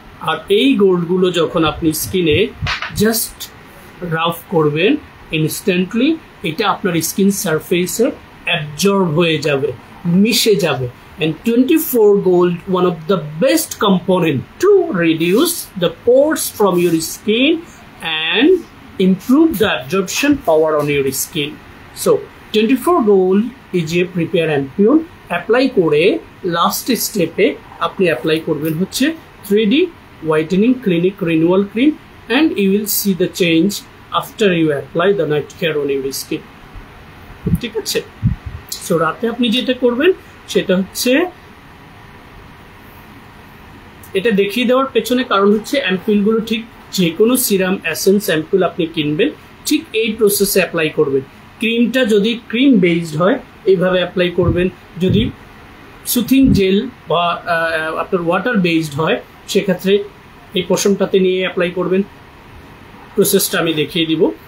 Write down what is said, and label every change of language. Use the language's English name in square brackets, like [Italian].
[Bangla] আর এই গোল্ডগুলো যখন আপনি স্কিনে জাস্ট রাফ করবেন ইনস্ট্যান্টলি, এটা আপনার স্কিন সারফেসে অ্যাবজর্ব হয়ে যাবে, মিশে যাবে। [English] And 24 gold one of the best component to reduce the pores from your skin and improve the absorption power on your skin. So 24 gold is a prepare ampoule, [Bangla] apply করে last স্টেপে আপনি apply করবেন হচ্ছে [English] 3D whitening clinic renewal cream, and you will see the change after you apply the night care on your skin. [Bangla] ঠিক আছে, so রাতে আপনি যেটা করবেন সেটা হচ্ছে, এটা দেখিয়ে দেওয়ার পেছনে কারণ হচ্ছে অ্যাম্পুল গুলো ঠিক যে কোনো সিরাম অ্যাসেন্স অ্যাম্পুল আপনি কিনবেন ঠিক এই প্রসেসে অ্যাপ্লাই করবেন। ক্রিমটা যদি ক্রিম বেসড হয় এইভাবে অ্যাপ্লাই করবেন, যদি সুথিং জেল বা আপনার ওয়াটার বেসড হয় সেক্ষেত্রে এই পোশনটাতে নিয়ে অ্যাপ্লাই করবেন, প্রসেসটা আমি দেখিয়ে দিব।